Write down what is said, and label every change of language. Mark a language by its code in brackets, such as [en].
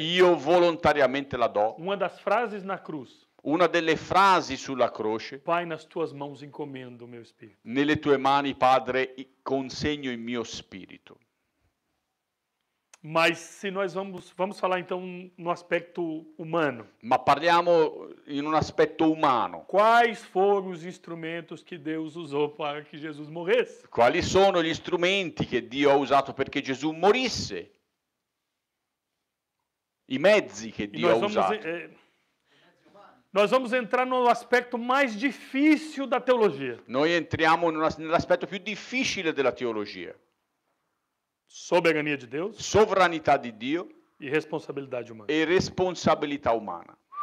[it] Io volontariamente la do. [pt] Uma das frases na cruz. [it] Una delle frasi sulla croce. [pt] Pai, nas tuas mãos encomendo o meu espírito. [it] Nelle tue mani, Padre, consegno il mio spirito. [pt] Mas se nós vamos falar então no aspecto humano. [it] Ma parliamo in un aspetto umano. [pt] Quais foram os instrumentos que Deus usou para que Jesus morresse? [it] Quali sono gli strumenti che Dio ha usato perché Gesù morisse? I mezzi che Dio ha usato. [pt] Nós vamos entrar no aspecto mais difícil da teologia. [it] Noi entriamo nell'aspetto più difficile della teologia. [pt] Soberania de Deus. [it] Sovranità di Dio. [pt] E responsabilidade humana. [it] E responsabilità umana.